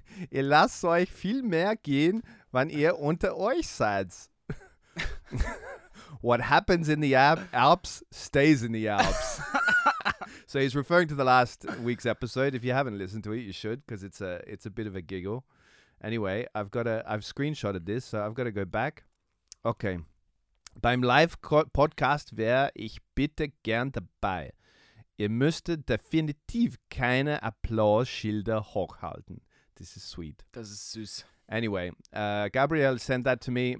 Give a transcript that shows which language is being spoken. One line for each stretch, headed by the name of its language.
German: Ihr lasst euch viel mehr gehen, wenn ihr unter euch seid.
English: What happens in the Alps stays in the Alps. So he's referring to the last week's episode. If you haven't listened to it, you should, because it's a bit of a giggle. Anyway, I've screenshotted this, so I've got to go back. Okay.
German: Beim Live-Podcast wäre ich bitte gern dabei. Ihr müsstet definitiv keine Applaus-Schilder hochhalten.
English: This is sweet.
German: Das ist süß.
English: Anyway, Gabriel sent that to me.